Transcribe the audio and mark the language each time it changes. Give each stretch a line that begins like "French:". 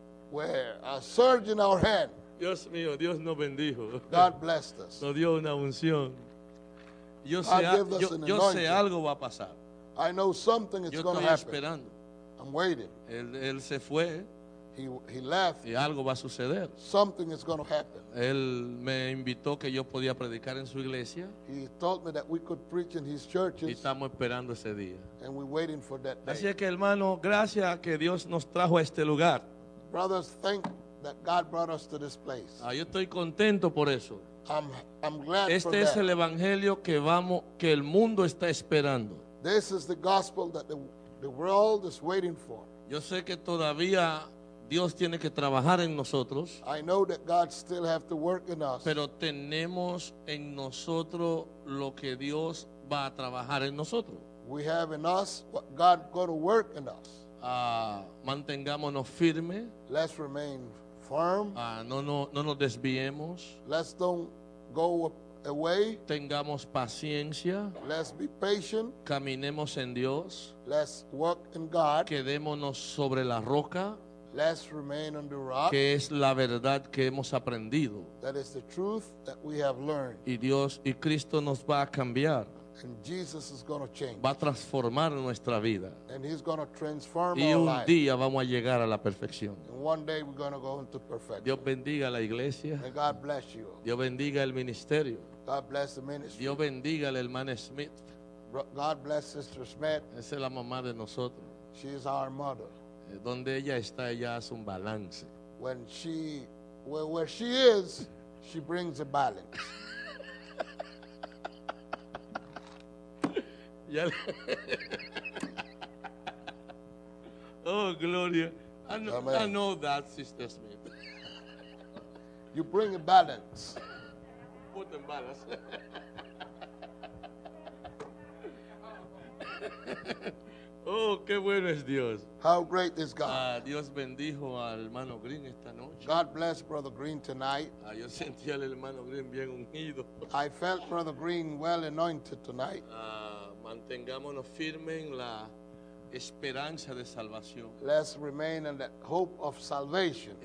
English: Where a surge in our hand.
Spanish: Dios mío, Dios nos bendijo.
English: God blessed us.
Spanish: Nos dio una unción. Yo sé, yo sé algo va a pasar.
English: I know something is going to happen.
Spanish: Yo estoy esperando.
English: I'm waiting.
Spanish: Él se fue.
English: He left.
Spanish: Y algo va a suceder.
English: Something is going to happen.
Spanish: Él me invitó que yo podía predicar en su iglesia.
English: He told me that we could preach in his churches.
Spanish: Y estamos esperando ese día.
English: And we're waiting for that day.
Spanish: Así es que hermano, gracias a que Dios nos trajo a este lugar.
English: Brothers, thank that God brought us to this place.
Spanish: Yo estoy contento por eso.
English: I'm glad
Spanish: este
English: for
Spanish: es
English: that.
Spanish: El evangelio que vamos, que el mundo está esperando.
English: This is the gospel that the world is waiting for.
Spanish: Yo sé que todavía Dios tiene que trabajar en nosotros.
English: I know that God still have to work in us.
Spanish: Pero tenemos en nosotros lo que Dios va a trabajar en nosotros.
English: We have in us what God going to work in us.
Spanish: Mantengámonos firme.
English: Let's remain firm.
Spanish: No nos desviemos.
English: Let's don't go away.
Spanish: Tengamos paciencia.
English: Let's be patient.
Spanish: Caminemos en Dios.
English: Let's walk in God.
Spanish: Quedémonos sobre la roca.
English: Let's remain on the rock.
Spanish: Que es la verdad que hemos aprendido.
English: That is the truth that we have learned.
Spanish: Y Dios y Cristo nos va a cambiar.
English: And Jesus is going to change.
Spanish: Va a transformar nuestra vida.
English: And he's going to transform
Spanish: y un
English: our life.
Spanish: Día vamos a llegar a la perfección.
English: And one day we're going to go into perfection.
Spanish: Dios bendiga la iglesia.
English: And God bless you.
Spanish: Dios bendiga el ministerio.
English: God bless the ministry.
Spanish: Dios bendiga al hermano Smith.
English: God bless Sister Smith.
Spanish: Esa es la mamá de nosotros.
English: She is our mother.
Spanish: Donde ella está, ella hace un balance.
English: When she, where she is, she brings a balance.
Spanish: Oh, gloria.
English: I know that, Sister Smith. You bring a balance. Put in balance.
Spanish: Oh, qué bueno es Dios.
English: How great is God.
Spanish: Dios bendijo al hermano Green esta noche.
English: God bless Brother Green tonight.
Spanish: Yo sentí al hermano Green bien ungido.
English: I felt Brother Green well anointed tonight.
Spanish: Mantengámonos firmes en la esperanza de salvación.
English: Let's remain in that hope of salvation.